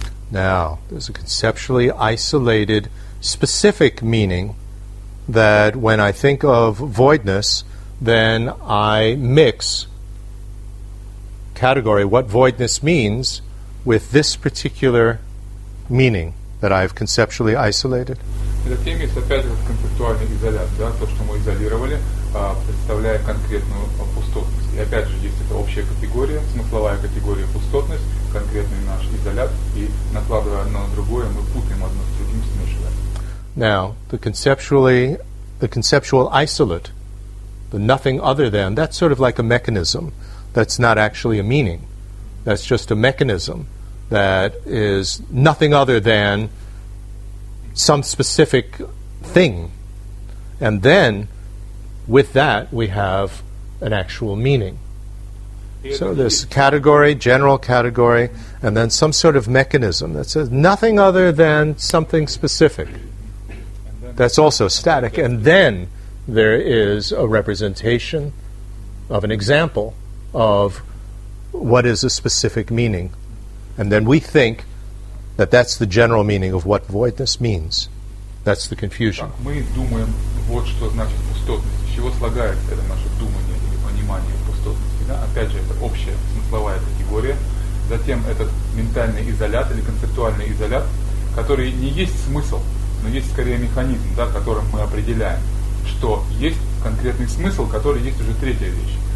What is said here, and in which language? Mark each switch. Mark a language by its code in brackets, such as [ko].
[en] Now, there's a conceptually isolated, specific meaning that when I think of voidness, then I mix category, what voidness means, with this particular meaning that I've conceptually isolated. [ru] Затем есть опять этот концептуальный изолят, да, то, что мы изолировали, представляя конкретную пустотность. И опять же, есть эта общая категория, смысловая категория пустотность, конкретный наш изолят, и накладывая одно на другое, мы путаем одно с другим, смешиваем. [en] Now, the conceptual isolate, the nothing other than, that's sort of like a mechanism. That's not actually a meaning. That's just a mechanism that is nothing other than some specific thing. And then, with that, we have an actual meaning. So this category, general category, and then some sort of mechanism that says nothing other than something specific. That's also static. And then there is a representation of an example of what is a specific meaning. And then we think that that's the general meaning of what voidness means. That's the confusion. [ru] Так, мы думаем, вот что значит пустотность. Из чего слагается это наше думание или понимание пустотности? Да? Опять же, это общая смысловая категория. Затем этот ментальный изолят или концептуальный изолят, который не есть смысл, но есть скорее механизм, да, которым мы определяем, что есть конкретный смысл, который есть уже третья вещь.